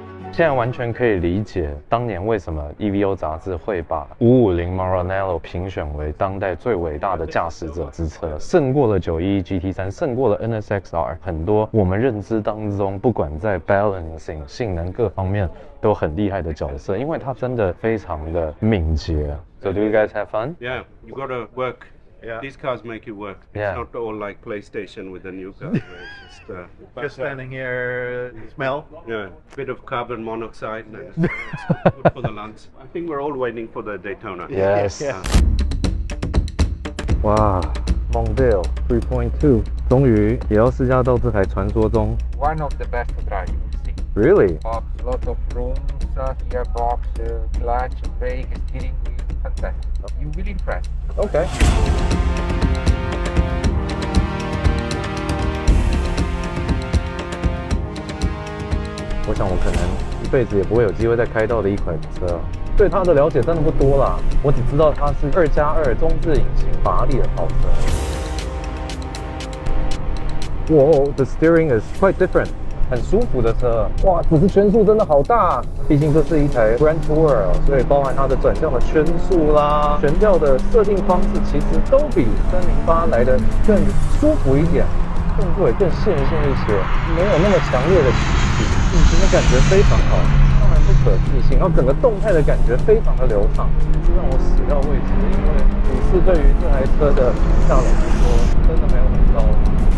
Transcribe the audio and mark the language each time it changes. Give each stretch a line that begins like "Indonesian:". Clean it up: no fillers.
Chinese: 现在完全可以理解当年为什么 EVO 杂志会把550 Maranello 评选为当代最伟大的驾驶者之车，胜过了911 GT3， 胜过了 NSXR， 很多我们认知当中不管在 balancing 性能各方面都很厉害的角色，因为它真的非常的敏捷。
English: So do you guys have fun? Yeah, you gotta workYeah. These cars make you work. It's、yeah. not all like PlayStation with a new car. Just standing here, smell. Yeah, bit of carbon monoxide. Yeah. Good for the lungs. I think we're all waiting for the Daytona. Yes. Yeah. Wow, Mondeo 3.2.
Chinese: 终于也要试驾到这台传说中。
English: One of the best driving seats. Really? Lots of room, gearbox, clutch, brake, steering wheel. Fantastic. You will impress. Okay. I think I probably won't have the opportunity to drive another car for the rest of my life. I really don't know much about it. I just know that it's a 2+2 twin engine Ferrari car. Whoa, the steering is quite different.
Chinese: 很舒服的车，哇，只是圈数真的好大、啊。毕竟这是一台 Grand Tour， 所以包含它的转向的圈数啦，悬吊的设定方式，其实都比308来的更舒服一点，动作也更线性一些，没有那么强烈的起伏，引擎的感觉非常好，当然不可置信，然后整个动态的感觉非常的流畅，这让我始料未及，因为你是对于这台车的评价来说，真的没有很高。